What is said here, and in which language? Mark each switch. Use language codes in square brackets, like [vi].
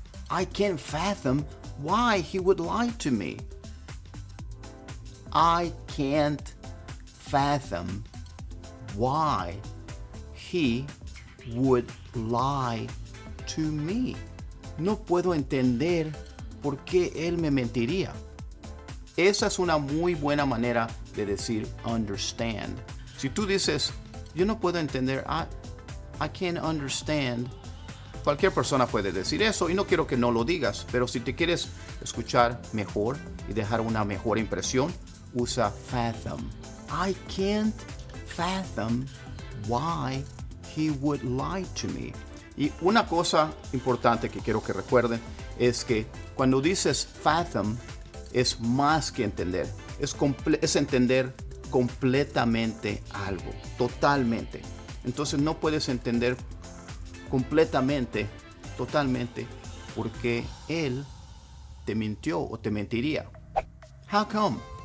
[en] I can't fathom why he would lie to me. I can't fathom why he would lie to me. [es] No puedo entender por qué él me mentiría. Esa es una muy buena manera de decir understand. Si tú dices, yo no puedo entender, [en] I can't understand. [es] Cualquier persona puede decir eso y no quiero que no lo digas. Pero si te quieres escuchar mejor y dejar una mejor impresión, usa fathom. [en] I can't fathom why he would lie to me. [es] Y una cosa importante que quiero que recuerden es que cuando dices fathom, es más que entender. Es entender completamente algo, totalmente. Entonces no puedes entender completamente, totalmente, porque él te mintió o te mentiría. [en] How come?